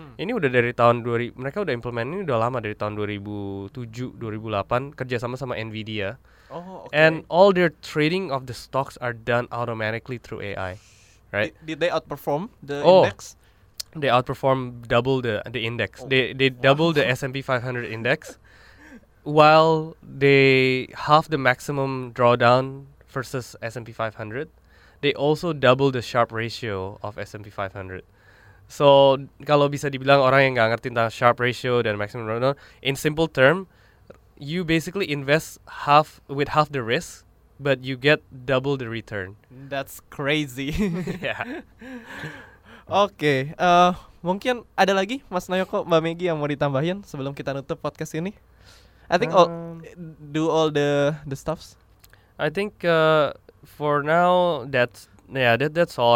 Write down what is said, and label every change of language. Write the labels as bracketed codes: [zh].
[id] Ini udah dari tahun 2000, mereka udah implement ini udah lama, dari tahun 2007-2008 kerjasama sama Nvidia. [en] And all their trading of the stocks are done automatically through AI, right? Did they outperform the index? They outperform double the index. They double the S&P 500 index, while they half the maximum drawdown versus S&P 500. They also double the Sharpe ratio of S&P 500. So [id] kalau bisa dibilang orang yang nggak ngerti tentang Sharpe ratio dan maximum drawdown, [en] in simple term, you basically invest half with half the risk, but you get double the return. That's crazy. Yeah. [id] Oke, okay, mungkin ada lagi Mas Noyoko, Mbak Megi yang mau ditambahin sebelum kita nutup podcast ini? [en] I think all the stuffs. I think for now that's all.